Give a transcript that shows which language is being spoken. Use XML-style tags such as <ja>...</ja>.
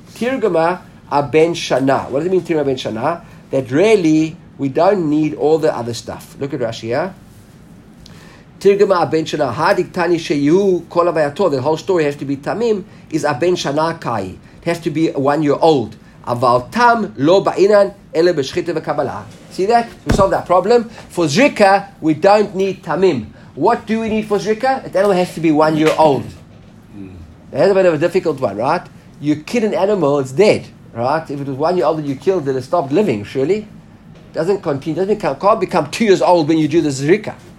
<he>Tirgama a ben shana.</he> <en>What does it mean, tirgama ben shana? That really, we don't need all the other stuff. Look at Rashi, yeah?</en> <he>Tirgama aben shana hadik tani sheyu kol avayato.</he> <en>The whole story has to be tamim is aben shana kai. It has to be 1 year old.</en> <he>אבל תם לא בעינן אלא בשחיטה וקבלה.</he> <en>See that? We solved that problem. For Zrika, we don't need tamim. What do we need for Zrika? An animal has to be 1 year old. That's a bit of a difficult one, right? You kill an animal, it's dead, right? If it was 1 year old and you killed it, it stopped living, surely. Doesn't continue, doesn't become, can't become 2 years old when you do the Zrika.</en>